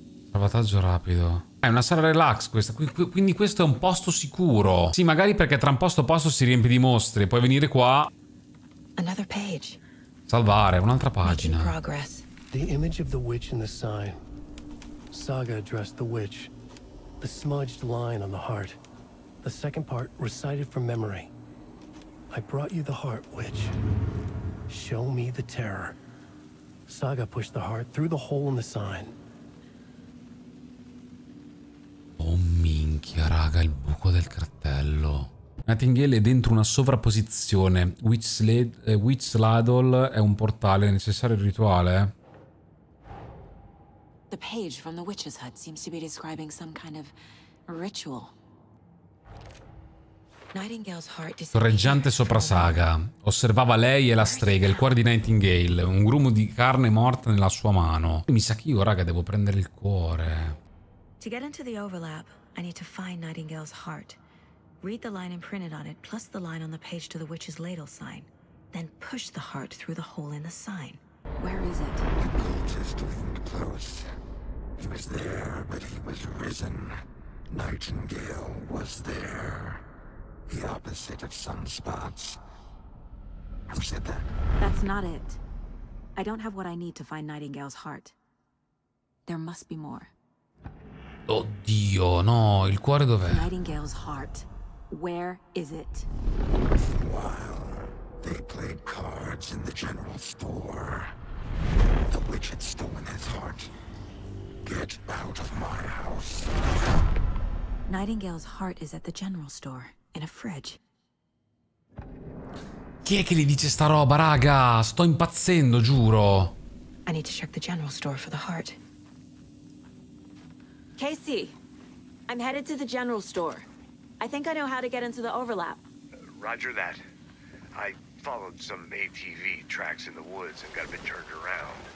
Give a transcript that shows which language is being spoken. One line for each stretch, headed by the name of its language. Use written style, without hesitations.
Italian: Salvataggio rapido. È una sala relax questa, quindi questo è un posto sicuro. Sì, magari perché tra un posto e posto si riempie di mostri. Puoi venire qua.
English: Another page.
Italian: Salvare, un'altra pagina.
English: The image of the witch in the sign. Saga addressed the witch. The smudged line on the heart. The second part recited from memory. I brought you the heart, witch. Show me the terror. Saga pushed the heart through the hole in the sign.
Italian: Minchia raga, il buco del cartello. Nightingale è dentro una sovrapposizione. Witch Ladle è un portale, è necessario il rituale.
English: The page from the witch's hut seems to be describing some kind of ritual. Nightingale's heart is
Italian: torreggiante sopra Saga. Osservava lei e la strega, il cuore di Nightingale, un grumo di carne morta nella sua mano. Mi sa che io raga devo prendere il cuore.
English: To get into the overlap, I need to find Nightingale's heart. Read the line imprinted on it, plus the line on the page to the witch's ladle sign. Then push the heart through the hole in the sign. Where is it? The cultist leaned close. He was there, but he was risen. Nightingale was there. The opposite of sunspots. Who said that? That's not it. I don't have what I need to find Nightingale's heart. There must be more.
Italian: Oddio, no, il cuore dov'è?
English: Nightingale's heart. Where is it? While they played cards in the general store, the witch had stolen his heart. Get out of my house. Nightingale's heart is at the general store, in a fridge.
Italian: Chi è che gli dice sta roba, raga? Sto impazzendo, giuro.
English: I need to check the general store for the heart. Casey, I'm headed to the general store. I think I know how to get into the overlap. Roger that. I followed some ATV tracks in the woods and got a bit turned around.